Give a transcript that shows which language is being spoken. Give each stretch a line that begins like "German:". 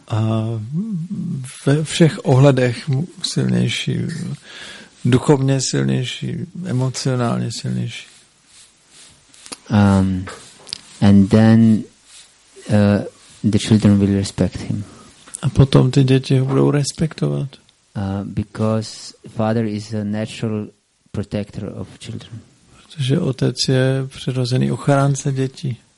Czech: A ve všech ohledech silnější, duchovně silnější, emocionálně silnější.
English: And then the children will respect him.
Czech: A potom ty děti ho budou respektovat.
English: Because father is a natural protector of children.
Czech: Protože otec je přirozený ochránce dětí.